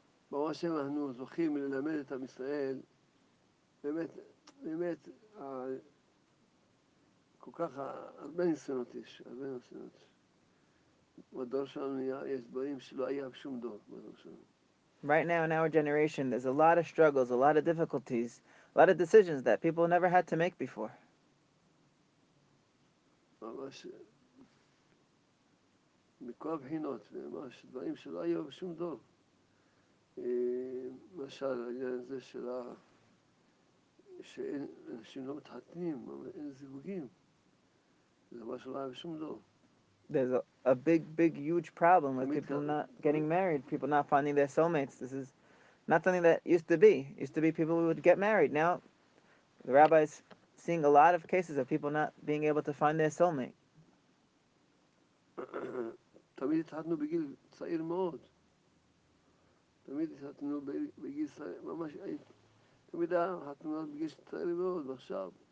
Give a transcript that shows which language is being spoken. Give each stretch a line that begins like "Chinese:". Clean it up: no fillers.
Hebrew: ברוך השם אנחנו זוכים ללמד את עם ישראל באמת, באמת כל כך הרבה ניסיונות יש, הרבה ניסיונות בדור שלנו יש דברים שלא היה בשום דור בדור שלנו.
English: Right now in our generation there's a lot of struggles, a lot of difficulties, a lot of decisions that people never had to make before.
Hebrew: ממש מכל הבחינות, ממש דברים שלא היו בשום דור. למשל, העניין הזה של שאנשים לא מתחתנים, אין זיווגים. זה מה שלא היה בשום דור.
English: There's a big, big, huge problem with people not getting married, people not finding their soulmates. This is not something that used to be. Used to be people who would get married. Now, the rabbi is seeing a lot of cases of people not being able to find their soulmate.
Hebrew: תמיד התחתנו בגיל צעיר מאוד. תמיד התחתנו בגיל צעיר, ממש, תמיד התחתנו בגיל צעיר מאוד, ועכשיו.